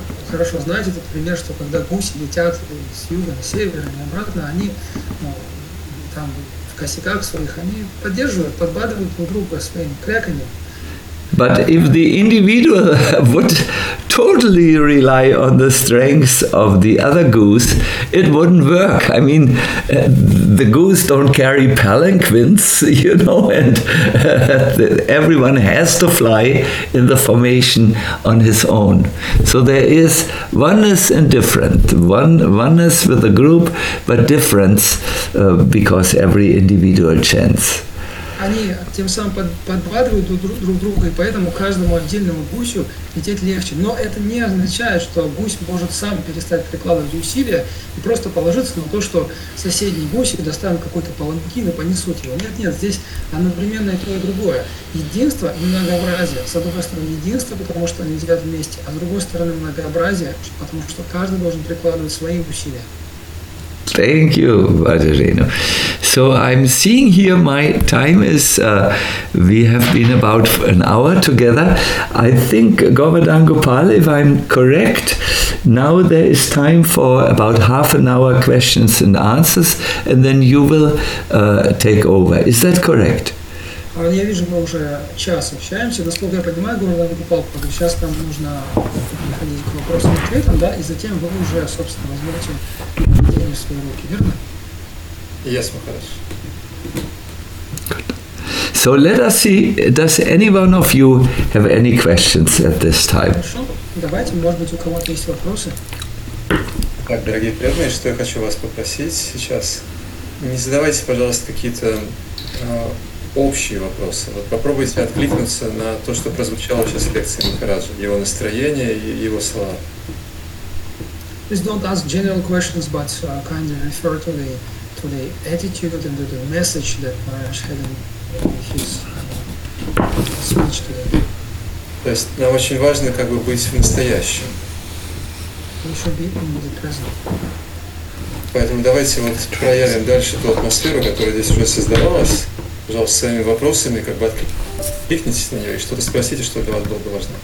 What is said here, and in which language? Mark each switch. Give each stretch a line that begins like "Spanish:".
Russian: Хорошо знаете этот пример, что когда гуси летят с юга на север и обратно, они там в косяках своих, они поддерживают, подбадривают друг друга своим кряканьем.
English: But if the individual would totally rely on the strengths of the other goose, it wouldn't work. I mean, the goose don't carry palanquins, you know, and everyone has to fly in the formation on his own. So there is oneness and difference. Oneness with the group, but difference because every individual chants.
Russian: Они тем самым подбадривают друг друга, и поэтому каждому отдельному гусю лететь легче. Но это не означает, что гусь может сам перестать прикладывать усилия и просто положиться на то, что соседние гуси доставят какой-то паланкин и понесут его. Нет, здесь одновременно и то, и другое. Единство и многообразие. С одной стороны, единство, потому что они летят вместе, а с другой стороны, многообразие, потому что каждый должен прикладывать свои усилия.
English: Thank you, Vajrayana. So I'm seeing here my time is, we have been about an hour together. I think, Govardhan Gopal, if I'm correct, now there is time for about half an hour questions and answers, and then you will take over. Is that correct?
Russian: Я вижу, мы уже час общаемся. Насколько я понимаю, Говардхан Гопал, сейчас там нужно приходить к вопросам и ответам, да, и затем вы уже, собственно, возьмете деньги в свои руки, верно?
English: Yes, Maharaj. So let us see, does anyone of you have any questions at this time?
Russian: Хорошо, давайте, может быть, у кого-то есть вопросы. Так, дорогие преданные, что я хочу вас попросить сейчас. Не задавайте, пожалуйста, какие-то общие вопросы. Вот попробуйте откликнуться на то, что прозвучало сейчас в лекции Махараджа, его настроение и его слова.
English: Please don't ask general questions, but kind of refer to the attitude and to the message that Maharaj had in his speech today.
Russian: То есть нам очень важно как бы быть в настоящем.
English: We should be in the present.
Russian: Поэтому давайте вот проявим дальше ту атмосферу, которая здесь уже создавалась. Пожалуйста, своими вопросами как бы откликнитесь на нее и что-то спросите, что для вас было бы важно.